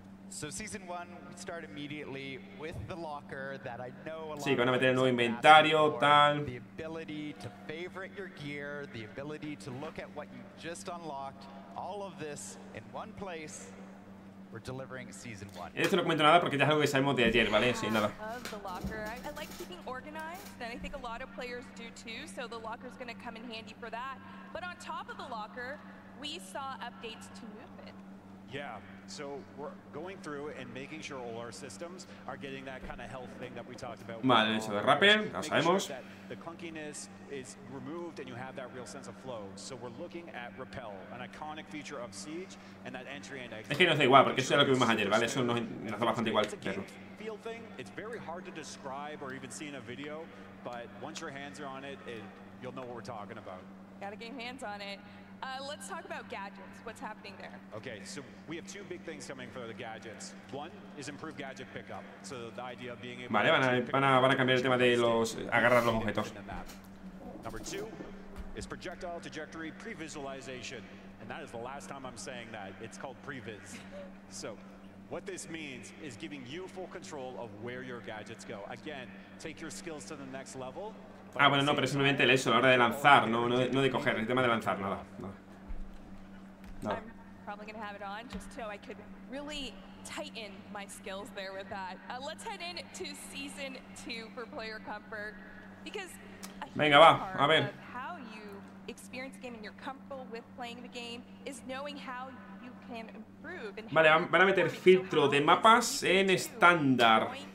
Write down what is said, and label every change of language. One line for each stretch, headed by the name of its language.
English: So season one, we start immediately with the locker that I know a lot.
Spanish: Sí, van a meter el nuevo inventario, tal.
English: The ability to favorite your gear, the ability to look at what you just unlocked, all of this in one place. We're delivering season one.
Spanish: Esto no comento nada porque ya es algo que sabemos de ayer, ¿vale? Sí, nada.
English: I like keeping organized, and I think a lot of players do too. So the locker is going to come in handy for that. But on top of the locker, we saw updates to movement. Yeah, so we're going through and making sure all our systems are getting that kind of health thing that we talked about.
Spanish: Mal hecho de rapper, ya sabemos.
English: The clunkiness is removed and you have that real sense of flow. So we're looking at repel, an iconic feature of Siege, and that entry and exit.
Spanish: Es que no da igual, porque eso es lo que vimos ayer, ¿vale? Eso nos hace bastante igual, pero.
English: Feel thing, it's very hard to describe or even see in a video, but once your hands are on it, you'll know what we're talking about. Gotta get hands on it. Let's talk about gadgets. What's happening there? Okay, so we have two big things coming for the gadgets. One is improved gadget pickup. So the idea of being able to
Spanish: van a cambiar el tema de los agarrar los objetos.
English: Number two is projectile trajectory previsualization, and that is the last time I'm saying that. It's called previs. So what this means is giving you full control of where your gadgets go. Again, take your skills to the next level.
Spanish: Ah, bueno, no, pero simplemente el eso, la hora de lanzar, no de coger, el tema de lanzar, nada, no.
English: I'm probably gonna have it on just so I could really tighten my skills there with that. Let's head in to season two for player comfort, because
Spanish: venga, va, a ver.
English: How you experience the game and you're comfortable with playing the game is knowing how you can improve.
Spanish: Vale, van a meter filtro de mapas en estándar.